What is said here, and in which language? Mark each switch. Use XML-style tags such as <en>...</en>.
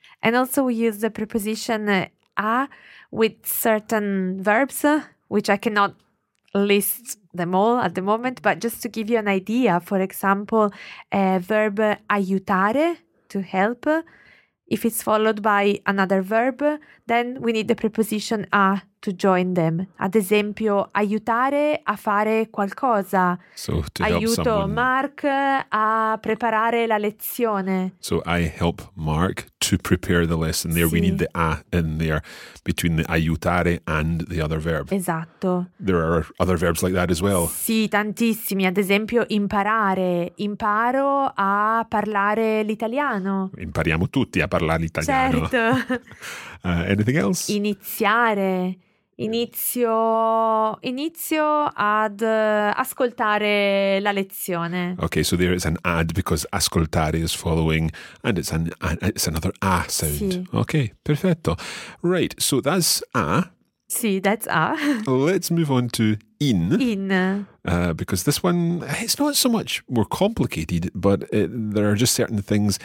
<en>And also we use the preposition a with certain verbs, which I cannot list them all at the moment, but just to give you an idea, for example, a verb aiutare, to help, if it's followed by another verb, then we need the preposition a to join them.</en> <it>Ad esempio, aiutare a fare qualcosa.</it> <en>So to</en> <it>aiuto</it> <en>help someone.</en> <it>Mark a preparare la lezione.</it> <en>So I help Mark to prepare the lesson. There</en> <it>sì.</it> <en>We need the a in there between the aiutare and the other verb.</en> <it>Esatto.</it> <en>There are other verbs like that as well.</en> <it>Sì, tantissimi. Ad esempio, imparare. Imparo a parlare l'italiano. Impariamo tutti a parlare l'italiano. Certo.</it> <en>Anything else?</en> <it>Iniziare. Inizio ad ascoltare la lezione.</it> <en>Okay, so there is an ad because ascoltare is following and it's it's another a sound.</en> <it>Sì.</it> <en>Okay, perfetto. Right, so that's a. Sì, that's a. Let's move on to in.</en> <it>In.</it> <en>Because this one, it's not so much more complicated, but there are just certain things.</en>